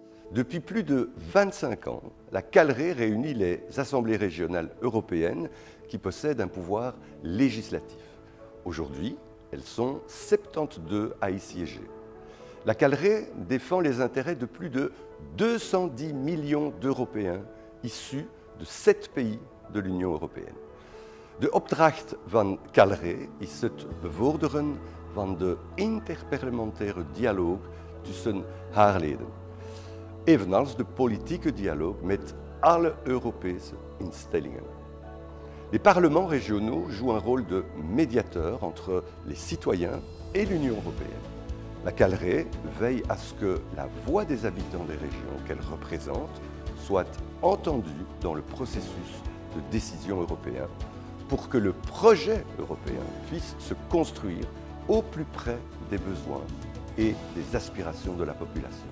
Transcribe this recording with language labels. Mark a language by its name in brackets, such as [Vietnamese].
[French] Depuis plus de 25 ans, la Calré réunit les assemblées régionales européennes qui possèdent un pouvoir législatif. Aujourd'hui, elles sont 72 à y siéger. La Calré défend les intérêts de plus de 210 millions d'Européens issus de 7 pays de l'Union européenne. [Dutch] De Optracht van Calré is het bevorderen van de interparlementaire dialoog tussen haar leden. Evenals de politieke dialoog met alle Europese instellingen. [French] Les parlements régionaux jouent un rôle de médiateur entre les citoyens et l'Union européenne. La Calré veille à ce que la voix des habitants des régions qu'elle représente soit entendue dans le processus de décision européen pour que le projet européen puisse se construire au plus près des besoins et des aspirations de la population.